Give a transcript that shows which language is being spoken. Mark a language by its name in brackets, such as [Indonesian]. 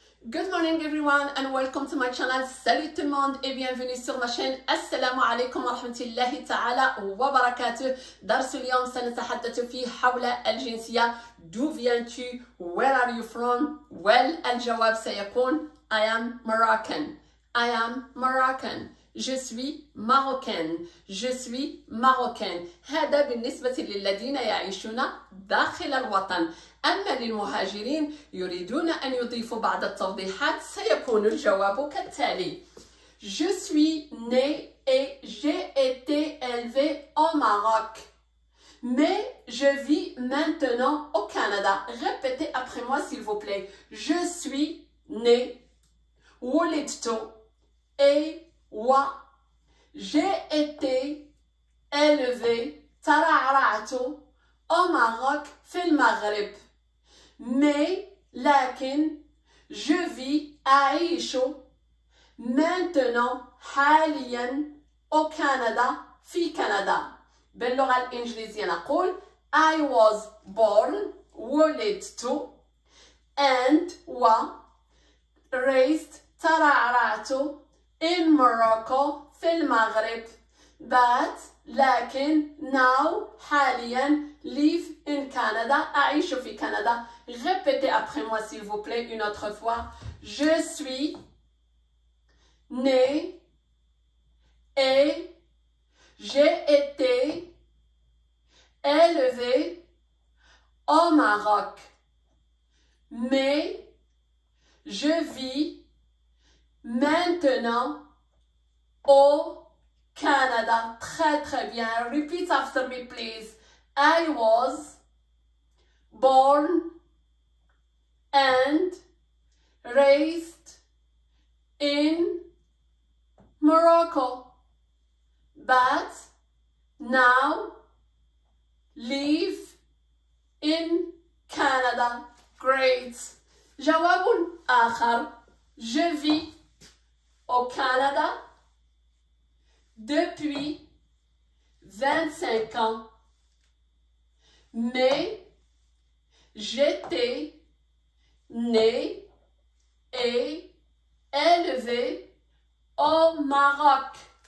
[English] Good morning everyone and welcome to my channel. [French] Salut tout le monde et bienvenue sur ma chaîne. [Arabic] Assalamu alaikum wa rahmatullahi ta'ala wa barakatuh. [French] Dans ce lien, nous allons parler de [Arabic] Hawla Al-Jinsia. [French] D'où viens-tu? [English] Where are you from? Well, [Arabic] al-jawab sayakoun. [English] I am Moroccan. I am Moroccan. [French] Je suis marocaine. Je suis marocaine. [Arabic] هذا بالنسبة للذين يعيشون داخل الوطن. أما للمهاجرين يريدون أن يضيفوا بعض التوضيحات سيكون الجواب كالتالي. [French] Je suis né et j'ai été élevé au Maroc. Mais je vis maintenant au Canada. Répétez après moi s'il vous plaît. Je suis né. Wolidtu. Et wa. J'ai été élevé. [Arabic] Tara'ra'tu. [French] Au Maroc. [Arabic] Fil Maghrib. [French] Mais, [Arabic] lakin, [French] je vis à Aïcho, maintenant, [Arabic] حالياً, [French] au Canada, [Arabic] في Canada. باللغة الإنجليزية نقول, [English] I was born, [Arabic] ولدت, [English] and was raised, [Arabic] ترعرعت, [English] in Morocco, [Arabic] في المغرب. [English] But, [Arabic] لكن, [English] now, [Arabic] حالياً, [English] live in Canada, [Arabic] أعيش في كندا. [French] Répétez après moi, s'il vous plaît, une autre fois. Je suis né et j'ai été élevé au Maroc. Mais je vis maintenant au Canada. Très, très bien. [English] Repeat after me, please. I was born and raised in Morocco, but now live in Canada. Great. [Arabic] جواب آخر. [French] Je vis au Canada depuis 25 ans, mais j'étais né et élevé au Maroc.